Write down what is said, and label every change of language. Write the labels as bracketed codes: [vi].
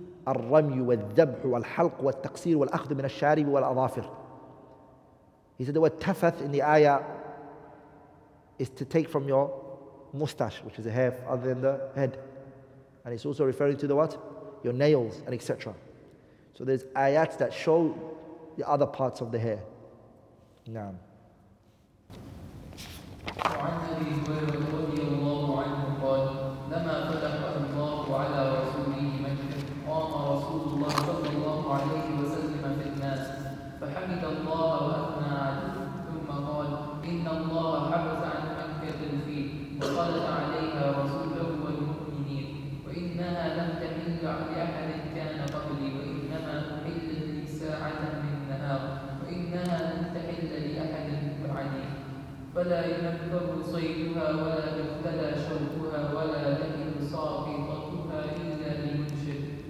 [ar] الرمي والذبح والحلق والتقصير والأخذ من الشارب والأظافر. [en] He said the word tafath in the ayah is to take from your mustache, which is a hair other than the head. And it's also referring to the what? Your nails and etc. So there's ayats that show the other parts of the hair. [ar] Naam. وعن ابي هريره رضي الله عنه قال لما فتح الله على رسوله مكه قام رسول الله صلى الله عليه وسلم في الناس فحمد الله واثنى عليه ثم قال ان الله حبس عن مكه الفيل وخلف عليها رسوله والمؤمنين وانها لم تحل لاحد كان قبلي وانما احل لي ساعه من النهار وانها لم تحل لاحد بعدي فلا ينفذ صيدها ولا يختلى شوكها ولا لئن ساقطتها الا لمنشد